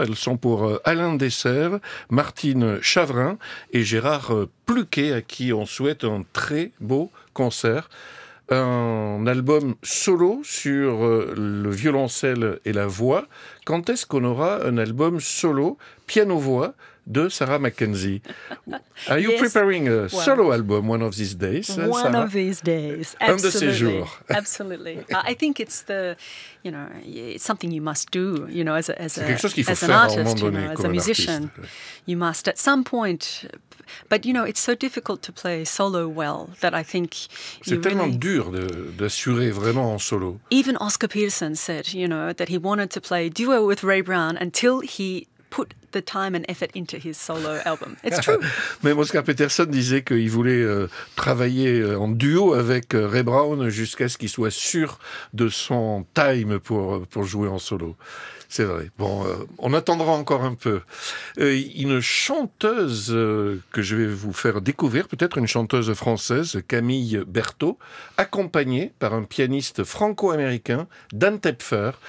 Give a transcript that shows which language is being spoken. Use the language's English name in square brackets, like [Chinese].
[French] Elles sont pour Alain Dessert, Martine Chavrin et Gérard Pluquet, à qui on souhaite un très beau concert. Un album solo sur le violoncelle et la voix. Quand est-ce qu'on aura un album solo piano-voix de Sarah McKenzie? [English] Are you preparing a solo album one of these days? One of these days. Absolutely. [French] Un de ces jours. [English] Absolutely. I think it's the, you know, it's something you must do, you know, as an artist, as a musician. You must at some point. But you know, it's so difficult to play solo well that I think [French] c'est tellement dur d'assurer vraiment en solo. [English] Even Oscar Peterson said, you know, that he wanted to play duo with Ray Brown until he put the time and effort into his solo album. It's true. [French] Même Oscar Peterson disait qu'il voulait travailler en duo avec Ray Brown jusqu'à ce qu'il soit sûr de son time pour jouer en solo. C'est vrai. Bon, on attendra encore un peu. Une chanteuse que je vais vous faire découvrir, peut-être une chanteuse française, Camille Berthaud, accompagnée par un pianiste franco-américain, Dan Tepfer.